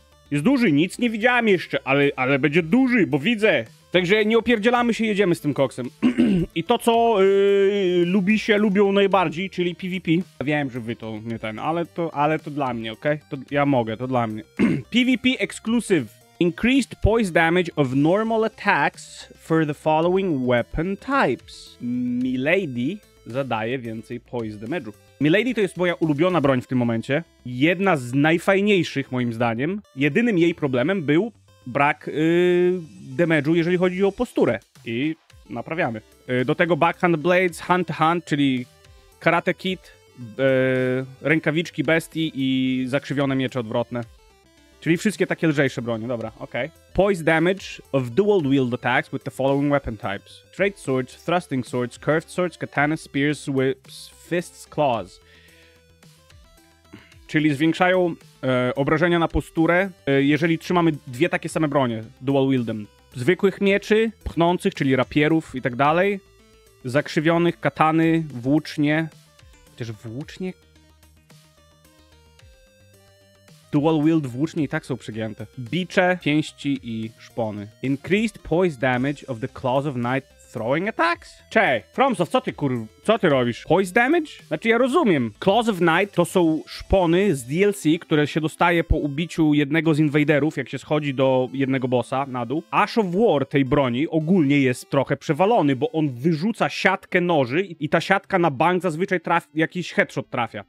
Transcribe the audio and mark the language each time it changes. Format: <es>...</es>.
<pl>Jest duży, nic nie widziałem jeszcze, ale będzie duży, bo widzę. Także nie opierdzielamy się, jedziemy z tym koksem. I to, co lubią najbardziej, czyli PvP. Wiem, że wy to nie ten, ale to dla mnie, okej? Okay? To ja mogę, to dla mnie.</pl> <en>PvP exclusive. Increased poise damage of normal attacks for the following weapon types.</en> <pl>Milady zadaje więcej poise damage'u. Milady to jest moja ulubiona broń w tym momencie. Jedna z najfajniejszych, moim zdaniem. Jedynym jej problemem był brak damage'u, jeżeli chodzi o posturę. I naprawiamy. Do tego Backhand Blades, Hand-to-Hand, czyli Karate Kid, rękawiczki Bestii i zakrzywione miecze odwrotne. Czyli wszystkie takie lżejsze bronie, dobra, okej. Okay.</pl> <en>Poise damage of dual wield attacks with the following weapon types. Straight swords, thrusting swords, curved swords, katana, spears, whips, fists, claws.</en> <pl>Czyli zwiększają obrażenia na posturę, jeżeli trzymamy dwie takie same bronie, dual wieldem. Zwykłych mieczy, pchnących, czyli rapierów i tak dalej. Zakrzywionych, katany, włócznie. Chociaż włócznie... Dual wield włócznie i tak są przygięte. Bicze, pięści i szpony.</pl> <en>Increased poise damage of the claws of night throwing attacks?</en> <pl>Cześć, FromSoft, co ty robisz? Poise damage? Znaczy ja rozumiem. Claws of night to są szpony z DLC, które się dostaje po ubiciu jednego z inwaderów, jak się schodzi do jednego bossa na dół. Ash of War tej broni ogólnie jest trochę przewalony, bo on wyrzuca siatkę noży i ta siatka na bank zazwyczaj jakiś headshot trafia.</pl>